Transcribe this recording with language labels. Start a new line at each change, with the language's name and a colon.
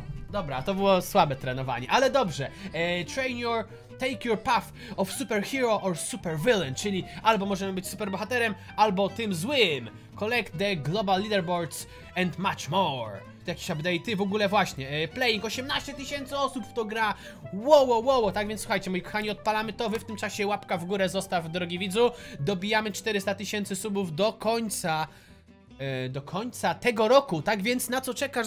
Polish: Dobra, to było słabe trenowanie, ale dobrze.
English: Take your path of superhero or supervillain,
Polish: czyli albo możemy być superbohaterem, albo tym złym.
English: Collect the global leaderboards and much more.
Polish: Jakieś update'y, w ogóle właśnie. Playing, 18 tysięcy osób w to gra. Wow, tak więc słuchajcie, moi kochani, odpalamy to. Wy w tym czasie łapka w górę zostaw, drogi widzu. Dobijamy 400 tysięcy subów do końca. Do końca tego roku, tak więc na co czekasz?